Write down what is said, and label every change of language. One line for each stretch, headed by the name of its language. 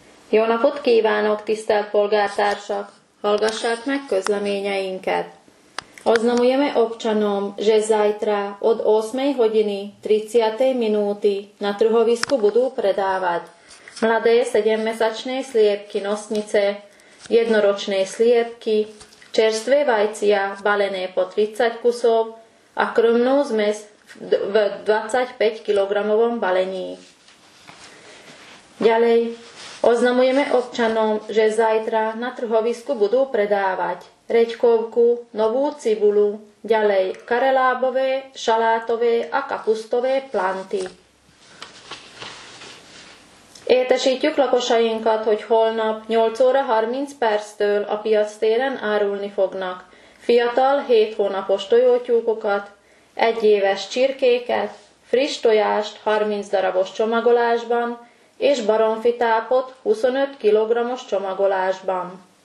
Hungarian: Jó napot kívánok, tisztelt polgártársak! Hallgassák meg közleményeinket!
Slovak: Oznamujeme občanom, že zajtra od 8 hodiny 30 minúty na trhovisku budú predávať mladé 7-mesačné sliepky nosnice, jednoročné sliepky, čerstvé vajcia balené po 30 kusov a krmnú zmes v 25 kg balení. Ďalej, oznamujeme občanom, že zajtra na trhovisku budú predávať reďkovku, novú cibulu, ďalej karelábové, šalátové a kapustové planty.
Hungarian: Értesítjük lakosainkat, hogy holnap 8 óra 30 perctől a piac téren árulni fognak fiatal 7 hónapos tojótyúkokat, 1 éves csirkéket, friss tojást 30 darabos csomagolásban és baromfitápot 25 kg-os csomagolásban.